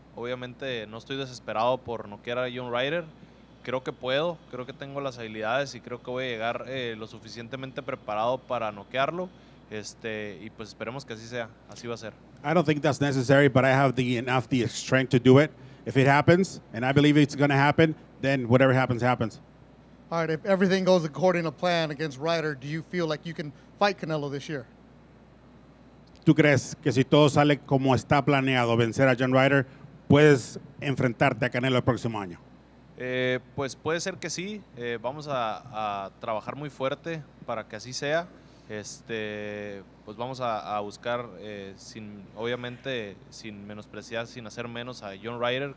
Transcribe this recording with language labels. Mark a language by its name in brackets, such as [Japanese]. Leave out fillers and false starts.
[Spanish] Obviamente no estoy desesperado por noquear a John Ryder. Creo que puedo, creo que tengo las habilidades y creo que voy a llegar lo suficientemente preparado para noquearlo. Y pues esperemos que así sea, así va a ser. [English] I don't think that's necessary, but I have the strength to do it. If it happens, and I believe it's going to happen, then whatever happens, happens. All right, if everything goes according to plan against Ryder, do you feel like you can fight Canelo this year? [Spanish] ¿Tú crees que si todo sale como está planeado, vencer a John Ryder, puedes enfrentarte a Canelo el próximo año? Pues puede ser que sí, vamos a trabajar muy fuerte para que así sea, pues vamos a buscar, sin menospreciar, sin hacer menos a John Ryder.